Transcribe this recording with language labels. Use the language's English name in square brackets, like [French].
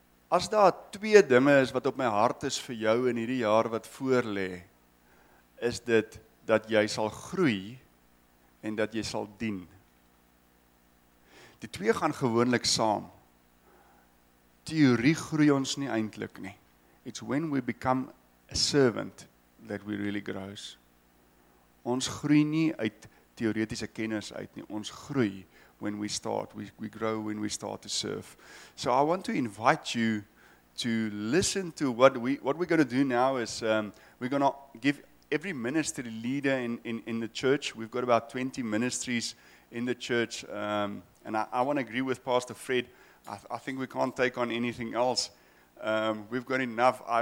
[Afrikaans] As daar twee dinge is wat op my hart is vir jou in hierdie jaar wat voorlê, is dit dat jy sal groei en dat jy sal dien. Die twee gaan gewoonlik saam. Teorie groei ons nie eintlik nie. [English] It's when we become a servant that we really grow. [Afrikaans] Ons groei nie uit teoretiese kennis uit nie, ons groei [English] when we start, we grow when we start to serve. So I want to invite you to listen to what we're going to do now is we're going to give every ministry leader in the church. We've got about 20 ministries in the church. And I want to agree with Pastor Fred. I think we can't take on anything else. We've got enough.